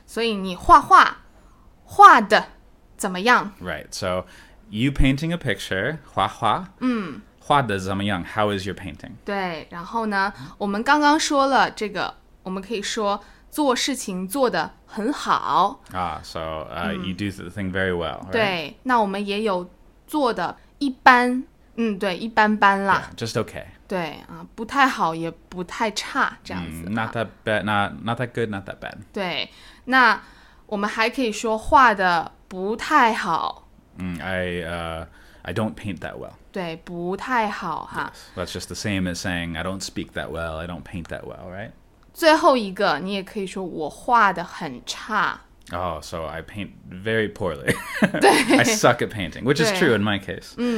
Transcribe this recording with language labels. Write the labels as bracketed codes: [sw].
[zh] 所以你画画,画的怎么样? [en] Right, so you painting a picture, [zh] 画画,画的怎么样? [en] How is your painting? [zh] 对,然后呢,我们刚刚说了这个,我们可以说做事情做得很好。 [en] Ah, so you do the thing very well, right? [zh] 对,那我们也有做的一般，嗯，对，一般般啦。 [en] Yeah, just okay. [zh] 对啊，不太好，也不太差，这样子。 [en] Not that bad, not that good, not that bad. [zh] 对，那我们还可以说画的不太好。 [en] I don't paint that well. [zh] 对，不太好哈。 [en] Yes, that's just the same as saying I don't speak that well. I don't paint that well, right? [zh] 最后一个，你也可以说我画的很差。 [en] Oh, so I paint very poorly. [zh] 对, [en] I suck at painting, which is true in my case.